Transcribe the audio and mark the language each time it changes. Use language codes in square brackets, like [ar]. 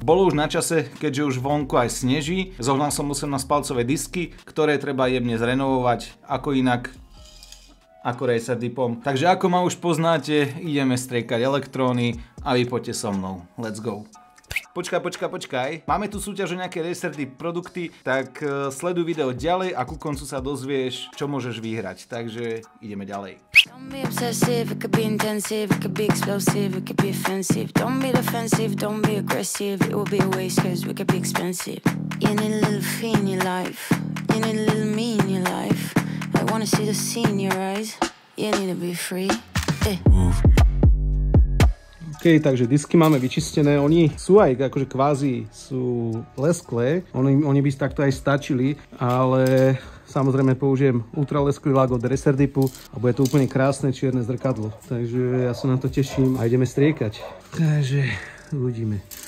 [sk] Bolo už na čase, keďže už vonku aj sneží. Zohnal som 18 palcové disky, ktoré treba jemne zrenovovať, ako inak ako Racer Dipom. Takže ako ma už poznáte, ideme striekať elektróny a vy poďte so mnou. [en] Let's go. [sk] Počkaj. Máme tu súťaž o nejaké Racer Dip produkty, tak sleduj video ďalej a ku koncu sa dozvieš, čo môžeš vyhrať. Takže ideme ďalej. [en] Don't be obsessive, it could be intensive, it could be explosive, it could be offensive. Don't be defensive, don't be aggressive, it will be a waste cause we could be expensive. You need a little fee in your life, you need a little me in your life. I wanna see the sea in your eyes, you need to be free. [sk] OK, takže disky máme vyčistené, oni sú aj akože kvázi sú lesklé, oni by takto aj stačili, ale samozrejme použijem ultralesklý lak od Racer Dipu a bude to úplne krásne čierne zrkadlo. Takže ja sa na to teším a ideme striekať. Takže uvidíme.